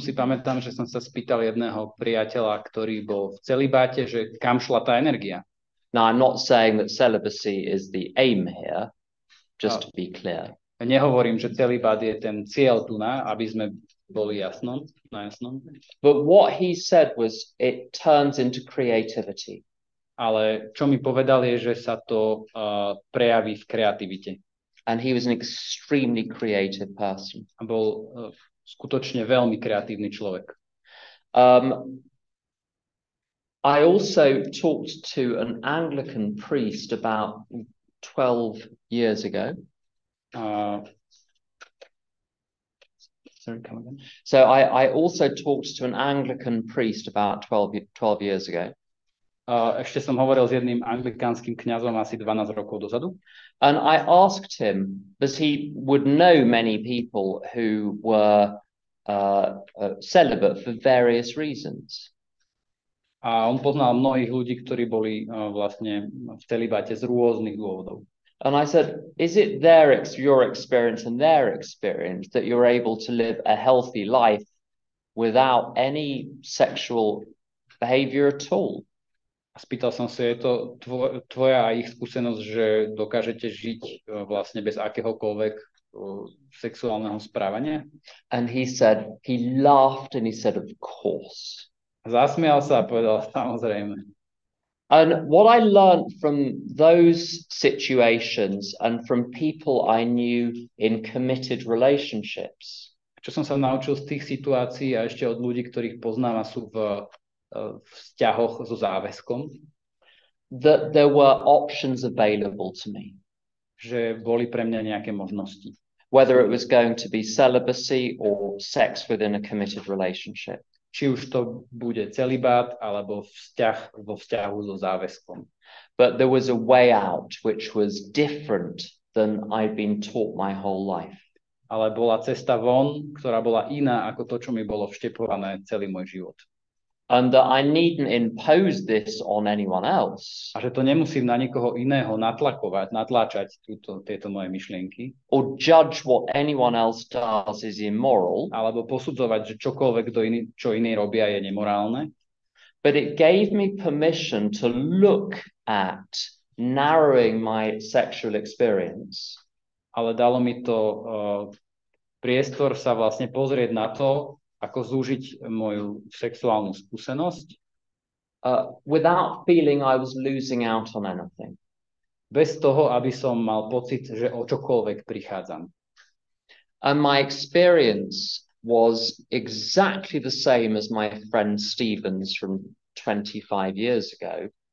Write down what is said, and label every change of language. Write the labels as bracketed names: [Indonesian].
[Slovak] si pamätám, že som sa spýtal jedného priateľa, ktorý bol v celibáte, že kam šla tá energia. [English] Now, I'm not saying that celibacy is the aim here, just to be clear. [Slovak] Nehovorím, že celibát je ten cieľ tu, aby sme boli jasnom. Najasnom. [English] But what he said was it turns into creativity. [Slovak] Ale čo mi povedal je, že sa to prejaví v kreativite. [English] And he was an extremely creative person. [Slovak] A bol skutočne veľmi kreatívny človek. [English] I also talked to an Anglican priest about 12 years ago. Sorry, come again. So I also talked to an Anglican priest about 12 years ago. [Slovak] Ešte som hovoril s jedným anglikánskym kňazom asi 12 rokov dozadu. [English] And I asked him, because he would know many people who were celibate for various reasons. [Slovak] A on poznal mnohých ľudí, ktorí boli vlastne v celibáte z rôznych dôvodov. [English] And I said, is it their your experience and their experience that you're able to live a healthy life without any sexual behavior at all? [Slovak] A spýtal som sa, je to tvoja a ich skúsenosť, že dokážete žiť vlastne bez akéhokoľvek sexuálneho správania? [English] And he said, he laughed and he said, of course. [Slovak] Zasmial sa a povedal, samozrejme. [English] And what I learned from those situations and from people I knew in committed relationships. [Slovak] Čo som sa naučil z tých situácií a ešte od ľudí, ktorých poznám a sú v vzťahoch so záväzkom. [English] That there were options available to me. [Slovak] Že boli pre mňa nejaké možnosti. [English] Whether it was going to be celibacy or sex within a committed relationship. [Slovak] Či už to bude celibát alebo vzťah vo vzťahu so záväzkom. [English] But there was a way out which was different than I'd been taught my whole life. [Slovak] Ale bola cesta von, ktorá bola iná ako to, čo mi bolo vštepované celý môj život. [English] And that I needn't impose this on anyone else. [Slovak] A že to nemusím na nikoho iného natláčať tieto moje myšlienky. [English] Or judge what anyone else does is immoral. [Slovak] Alebo posudzovať, že čokoľvek, čo iní robia, je nemorálne. [English] But it gave me permission to look at narrowing my sexual experience. [Slovak] Ale dalo mi to priestor sa vlastne pozrieť na to, ako zúžiť moju sexuálnu skúsenosť [English] without feeling I was losing out on anything. [Slovak] Bez toho, aby som mal pocit, že o čokoľvek prichádzam. [English] And my experience was exactly the same as my friend Stevens from 25 years ago.